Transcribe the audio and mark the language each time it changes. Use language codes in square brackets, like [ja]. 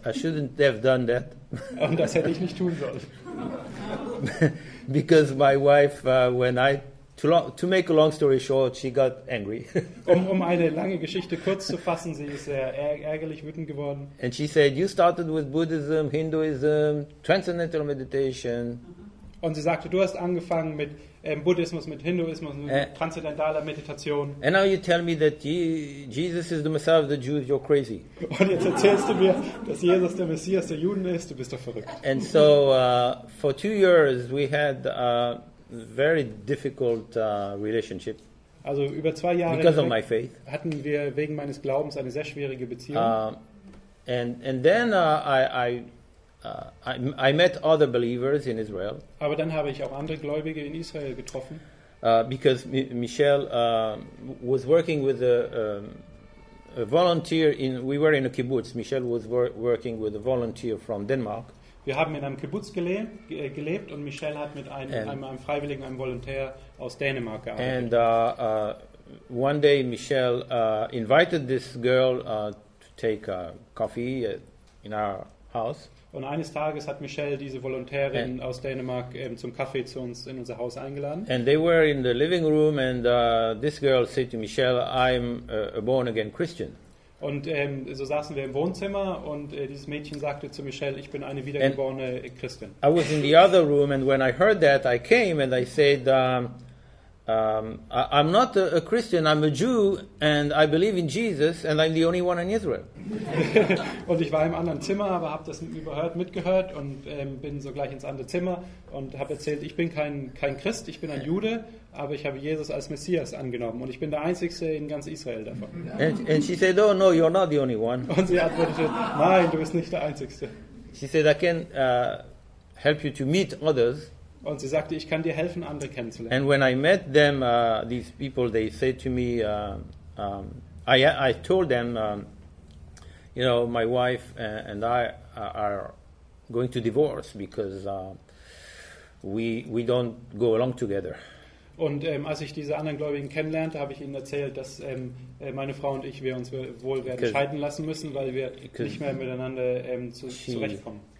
[en] I shouldn't have done that. [de] Und das hätte ich nicht tun sollen. [en] Because my wife, when I to make a long story short, she got angry. [de] um eine lange Geschichte kurz zu fassen, sie ist sehr ärgerlich, wütend geworden. [en] And she said, you started with Buddhism, Hinduism, Transcendental Meditation. [de] Und sie sagte, du hast angefangen mit Buddhismus, mit Hinduismus, mit transzendentaler Meditation. [en] And now you tell me that Jesus is the Messiah of the Jews, you're crazy. [de] Und jetzt erzählst du mir, dass Jesus der Messias der Juden ist, du bist doch verrückt. [en] And so for 2 years we had a very difficult relationship. [de] Also über 2 Jahre [en] because of my faith. [de] Hatten wir wegen meines Glaubens eine sehr schwierige Beziehung. [en] I met other believers in Israel. [de] Aber dann habe ich auch andere Gläubige in Israel getroffen. [en] Because Michelle was working with a volunteer we were in a kibbutz. Michelle was working with a volunteer from Denmark. [de] Wir haben in einem Kibbutz gelebt und Michelle hat mit einem Freiwilligen, einem Volontär aus Dänemark gearbeitet. [en] And one day Michelle invited this girl to take a coffee in our house. [de] Und eines Tages hat Michelle diese Volontärin aus Dänemark zum Kaffee zu uns in unser Haus eingeladen. [en] And they were in the living room and this girl said to Michelle, I'm a born again Christian. [de] Und so saßen wir im Wohnzimmer und dieses Mädchen sagte zu Michelle, ich bin eine wiedergeborene Christin. [en] I was in the other room and when I heard that I came and I said I'm not a Christian, I'm a Jew and I believe in Jesus and I'm the only one in Israel. [de] Und ich war im anderen Zimmer, aber habe das mitgehört und bin so gleich ins andere Zimmer und habe erzählt, ich bin kein Christ, ich bin ein Jude, aber ich habe Jesus als Messias angenommen und ich bin der Einzige in ganz Israel davon. [en] And she said, oh no, you're not the only one. [de] Und sie antwortete, nein, du bist nicht der Einzige. [en] She said, I can help you to meet others. [de] Und sie sagte, ich kann dir helfen, andere kennenzulernen. [en] And when I met them, these people, they said to me, I told them, you know, my wife and I are going to divorce because we don't go along together. [de] Und als ich diese anderen Gläubigen kennenlernte, habe ich ihnen erzählt, dass meine Frau und ich wir uns wohl werden scheiden lassen müssen, weil wir nicht mehr miteinander zurechtkommen.